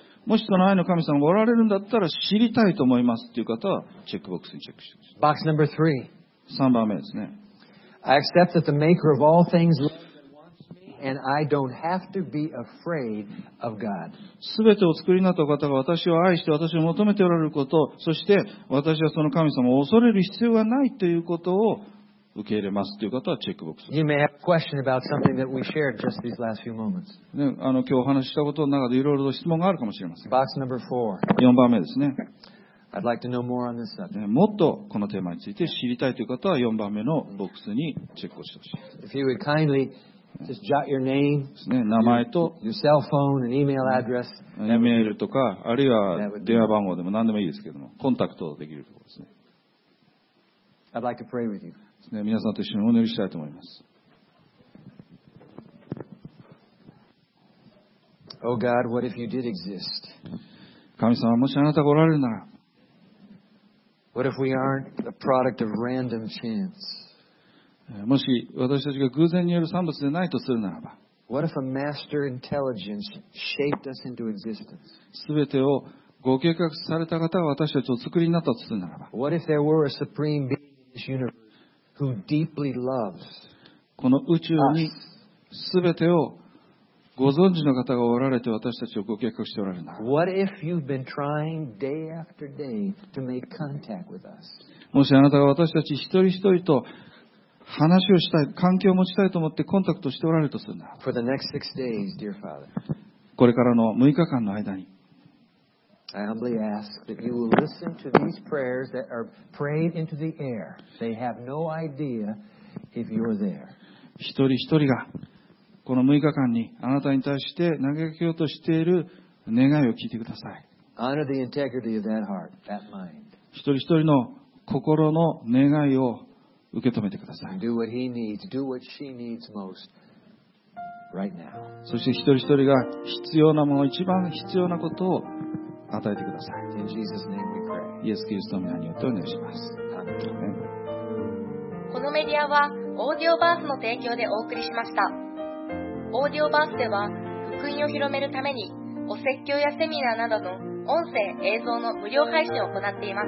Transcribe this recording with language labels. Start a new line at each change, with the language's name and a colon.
Japanese: もしその愛の神様がおられるんだったら知りたいと思いますという方はチェックボックスにチェックしてください。
English: Box number three.
Japanese: 3番目ですね。
English: I accept that the maker of all things loves and wants me, and I don't have to be afraid of God.
Japanese: すべてを作りになった方が私を愛して私を求めておられること、そして私はその神様を恐れる必要がないということを受け入れますという方はチェックボックス。
English: You may have a question about something that we shared just these last few moments.
Japanese: ね、今日お話ししたことの中でいろいろと質問があるかもしれません。
English: Box number four.
Japanese: 4番目ですね。
English: I'd like to know more on this subject.
Japanese: もっとこのテーマについて知りたいという方は4番目のボックスにチェックをしてほしい。
English: If you would kindly just jot your name,
Japanese: ですね、名前と、
English: your cell phone and email address,
Japanese: メールとか、あるいは電話番号でも何でもいいですけども、コンタクトできるところですね。
English: I'd like to pray with you.
Japanese: ですね、皆さんと一緒にお祈りしたいと思います。
English: Oh God, what if you did exist?
Japanese: 神様、もしあなたがおられるなら、
English: What if we aren't the product of random chance?
Japanese: もし私たちが偶然による産物でないとするならば、
English: What if a master intelligence shaped us into existence?
Japanese: すべてをご計画された方が私たちを作りになったとするならば、
English: What if there were a supreme being in this universe who deeply loves us?
Japanese: この宇宙にすべてをご存知の方がおられて私たちをご計画しておられるなもしあなたが私たち一人一人と話をしたい関係を持ちたいと思ってコンタクトしておられるとするなら
English: For the next six days, dear Father,
Japanese: これからの6日間の間に
English: I humbly ask that you will listen to these prayers that are prayed into the air. They have no idea if you're there.
Japanese: 一人一人がこの6日間にあなたに対して投げかけようとしている願いを聞いてください。
English: Honor the integrity of that heart, that mind.
Japanese: 一人一人の心の願いを受け止めてください。
English: Do what he needs, do what she needs most, right now.
Japanese: そして一人一人が必要なもの、一番必要なことを与えてください。
English: In Jesus' name we pray.
Japanese: イエス・キリストの名によってお願いします。
English: Amen.
Japanese: このメディアはオーディオバースの提供でお送りしました。オーディオバースでは福音を広めるためにお説教やセミナーなどの音声・映像の無料配信を行っています。